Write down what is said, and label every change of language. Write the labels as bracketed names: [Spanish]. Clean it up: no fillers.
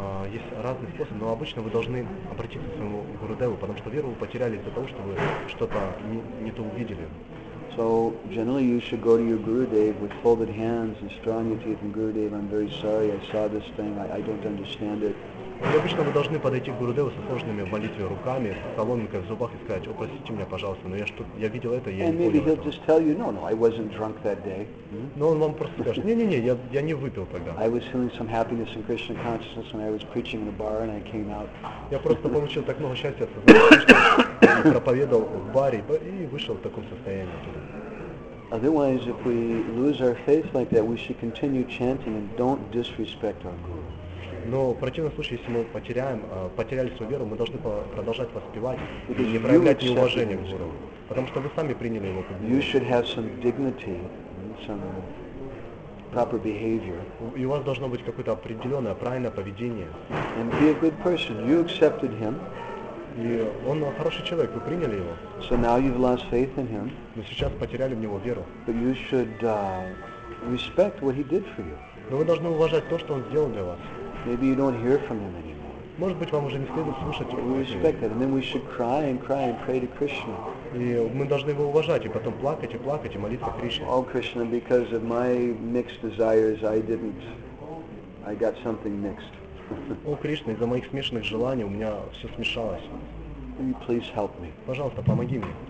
[Russian] Есть разные способы, но обычно вы должны обратиться к своему гурудеву, потому что веру вы потеряли из-за того, что вы что-то не то увидели. [English] So generally you should go to your Gurudev with folded hands and strong your teeth and Gurudev, I'm very sorry, I saw this thing, I don't understand it. [Russian] Обычно вы должны подойти к Гурудеву со сложными в молитве руками, с соломинкой в зубах и сказать, о, простите меня, пожалуйста, но я видел это, я не понял. [English] And maybe he'll just tell you, no, I wasn't drunk that day. [Russian] Но он вам просто скажет, не-не-не, я не выпил тогда. [English] I was feeling some happiness in Krishna consciousness when I was preaching in a bar and I came out. [Russian] Я просто получил так много счастья, что я проповедовал в баре и вышел в таком состоянии. [English] Otherwise, if we lose our faith like that, we should continue chanting and don't disrespect our guru. [Russian] Но в противном случае, если мы потеряли свою веру, мы должны продолжать воспевать и не проявлять неуважение к гуру. Потому что вы сами приняли его как гуру. И у вас должно быть какое-то определенное правильное поведение. [English] And be a good person. You accepted him. [Russian] И он хороший человек, вы приняли его. [English] So now you've lost faith in him. [Russian] Но сейчас потеряли в него веру. [English] But you should respect what he did for you. [Russian] Но вы должны уважать то, что он сделал для вас. [English] Maybe you don't hear from him anymore. [Russian] Может быть, вам уже не следует слушать. [English] We respect that, and then we should cry and cry and pray to Krishna. [Russian] И мы должны его уважать, и потом плакать и плакать и молиться Кришне. [English] Oh, Krishna, because of my mixed desires, I got something mixed. [Russian] О, Кришна, из-за моих смешанных желаний у меня все смешалось. [English] Please help me. [Russian] Пожалуйста, помоги мне.